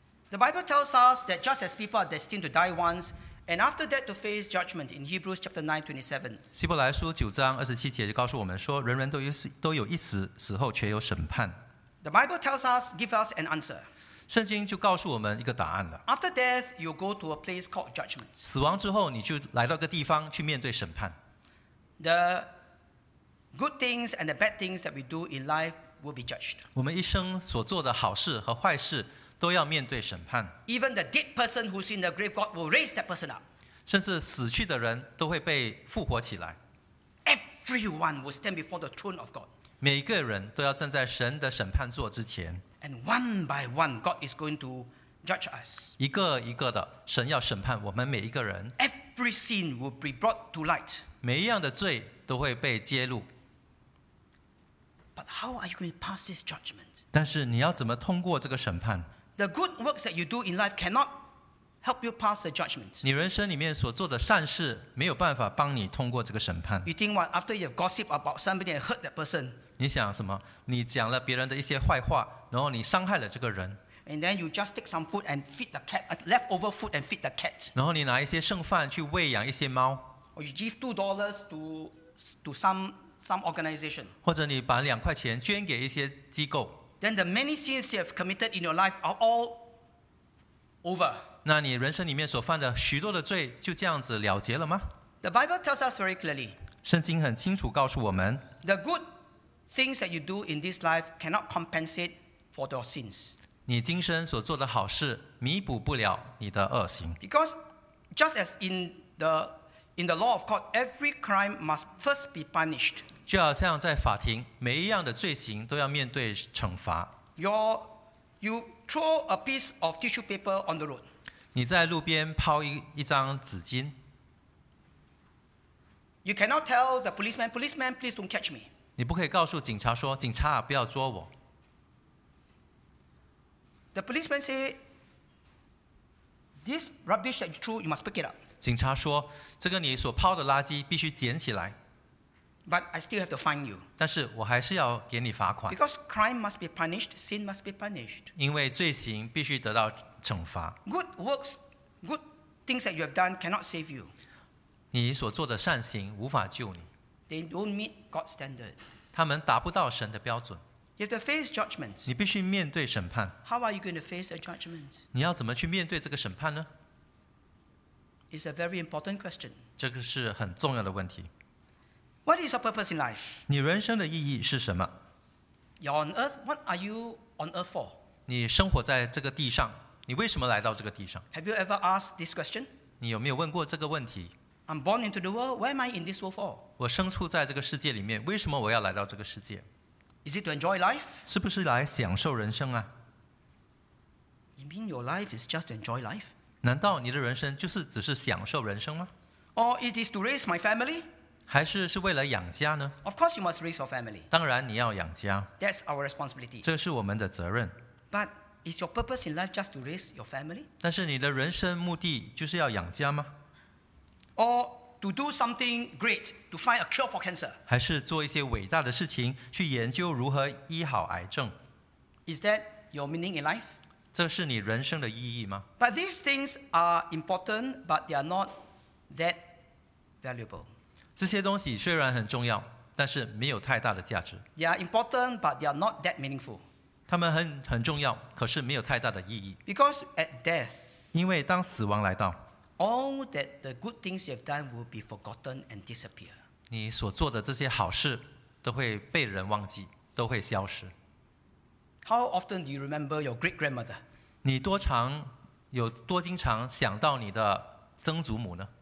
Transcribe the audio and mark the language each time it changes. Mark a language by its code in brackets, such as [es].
[en] The Bible tells us that just as people are destined to die once, and after that to face judgment in Hebrews chapter 9:27. [zh] 希伯来书九章二十七节就告诉我们说，人人都有一死，死后却有审判。 [en] The Bible tells us, give us an answer. [zh] 圣经就告诉我们一个答案了。 [en] After death, you go to a place called judgment. [zh] 死亡之后，你就来到一个地方去面对审判。 [en] The good things and the bad things that we do in life will be judged. [zh] 我们一生所做的好事和坏事。都要面对审判。 [en] Even the dead person who's in the grave, God will raise that person up. [zh] 甚至死去的人都会被复活起来。 [en] Everyone will stand before the throne of God. [zh] 每个人都要站在神的审判座之前。 [en] And one by one, God is going to judge us. [zh] 一个一个的，神要审判我们每一个人。 [en] Every sin will be brought to light. [zh] 每一样的罪都会被揭露。 [en] But how are you going to pass this judgment? [zh] 但是你要怎么通过这个审判？ [en] The good works that you do in life cannot help you pass the judgment. [zh] 你人生里面所做的善事没有办法帮你通过这个审判。 [en] You think what? After you have gossiped about somebody and hurt that person. [zh] 你想什么？你讲了别人的一些坏话，然后你伤害了这个人。 [en] And then you just take some food and feed the cat, leftover food and feed the cat. [zh] 然后你拿一些剩饭去喂养一些猫。 [en] Or you give $2 to some organization. [zh] 或者你把两块钱捐给一些机构。 [en] Then the many sins you have committed in your life are all over. [zh] 那你人生里面所犯的许多的罪就这样子了结了吗？ [en] The Bible tells us very clearly. [zh] 圣经很清楚告诉我们。 [en] The good things that you do in this life cannot compensate for your sins. [zh] 你今生所做的好事弥补不了你的恶行。 [en] Because just as in the law of God, every crime must first be punished. [zh] 就好像在法庭，每一样的罪行都要面对惩罚。 [en] Your, You throw a piece of tissue paper on the road. [zh] 你在路边抛一张纸巾。 [en] You cannot tell the policeman, policeman, please don't catch me. [zh] 你不可以告诉警察说，警察啊，不要捉我。 [en] The policeman say, this rubbish that you threw, you must pick it up. [zh] 警察说，这个你所抛的垃圾必须捡起来。 [en] But I still have to fine you. [zh] 但是我还是要给你罚款。 [en] Because crime must be punished, sin must be punished. [zh] 因为罪行必须得到惩罚。 [en] Good works, good things that you have done cannot save you. [zh] 你所做的善行无法救你。 [en] They don't meet God's standard. [zh] 他们达不到神的标准。 [en] You have to face judgments. [zh] 你必须面对审判。 [en] How are you going to face the judgment? [zh] 你要怎么去面对这个审判呢？ [en] It's a very important question. [zh] 这个是很重要的问题。 [en] What is your purpose in life? [zh] 你人生的意义是什么？ [en] You're on earth, what are you on earth for? [zh] 你生活在这个地上，你为什么来到这个地上？ [en] Have you ever asked this question? [zh] 你有没有问过这个问题？ [en] I'm born into the world, why am I in this world for? [zh] 我生处在这个世界里面，为什么我要来到这个世界？ [en] Is it to enjoy life? [zh] 是不是来享受人生啊？ [en] You mean your life is just to enjoy life? [zh] 难道你的人生就是只是享受人生吗？ [en] Or it is to raise my family? [zh] 还是为了养家呢？ [en] Of course, you must raise your family. [zh] 当然你要养家。 [en] That's our responsibility. [zh] 这是我们的责任。 [en] But is your purpose in life just to raise your family? [zh] 但是你的人生目的就是要养家吗？ [en] Or to do something great to find a cure for cancer? [zh] 还是做一些伟大的事情去研究如何医好癌症？ [en] Is that your meaning in life? [zh] 这是你人生的意义吗？ [en] But these things are important, but they are not that valuable. [zh] 这些东西虽然很重要，但是没有太大的价值。 [en] They are important, but they are not that meaningful. [zh] 他们很重要，可是没有太大的意义。 [en] Because at death, [zh] 因为当死亡来到 [en] ，all that the good things you have done will be forgotten and disappear. [zh] 你所做的这些好事都会被人忘记，都会消失。 [en] How often do you remember your great grandmother? [zh] 你多经常想到你的曾祖母呢？